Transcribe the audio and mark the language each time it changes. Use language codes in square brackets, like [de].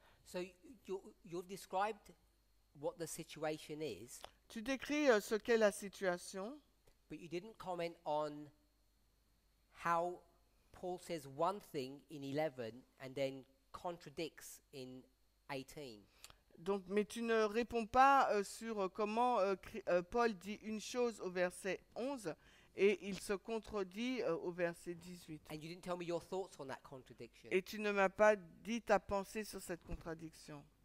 [en] So you described what the situation is. [fr] Tu décris ce qu'est la situation. [en] But you didn't comment on how Paul says one thing in 11 and then contradicts in 18. [fr] Donc, mais tu ne réponds pas sur comment Paul dit une chose au verset 11 et il se contredit au verset 18. [en] And you didn't tell me your thoughts on that contradiction. [fr] Et tu ne m'as pas dit ta pensée sur cette contradiction.